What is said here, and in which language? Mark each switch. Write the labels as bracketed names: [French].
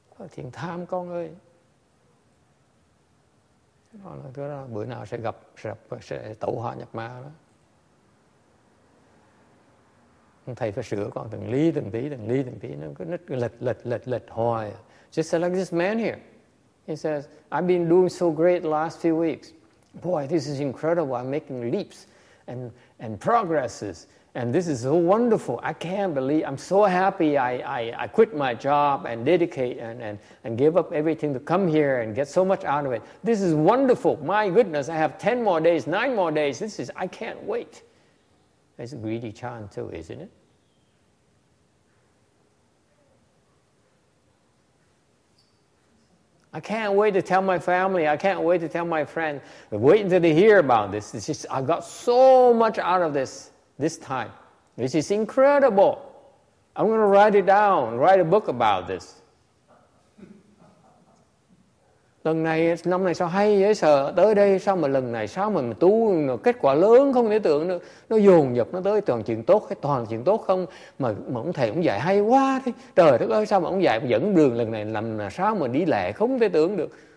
[Vietnamese] Thiền tham con ơi. Đó là cái đó, bữa nào sẽ tẩu hóa nhập ma đó. Thầy phải sửa con từng ly từng tí. Nó cứ lệch hoài. [English] Just like this man here. He says, I've been doing so great the last few weeks. Boy, this is incredible. I'm making leaps and progresses. And this is so wonderful. I can't believe. I'm so happy I quit my job and dedicate and give up everything to come here and get so much out of it. This is wonderful. My goodness, I have 10 more days, 9 more days. I can't wait. It's a greedy chant too, isn't it? I can't wait to tell my family. I can't wait to tell my friend. But wait until they hear about this. It's just, I got so much out of this time. This is incredible. I'm going to write it down, write a book about this. [Vietnamese] Lần này, năm này sao hay dễ sợ. Tới đây sao mà lần này, sao mà mình tu, kết quả lớn không thể tưởng được. Nó dồn dập, nó tới toàn chuyện tốt hay toàn chuyện tốt không. Mà ông thầy cũng dạy hay quá. Thế. Trời đất ơi, sao mà ông dạy dẫn đường lần này, làm sao mà đi lẹ không thể tưởng được.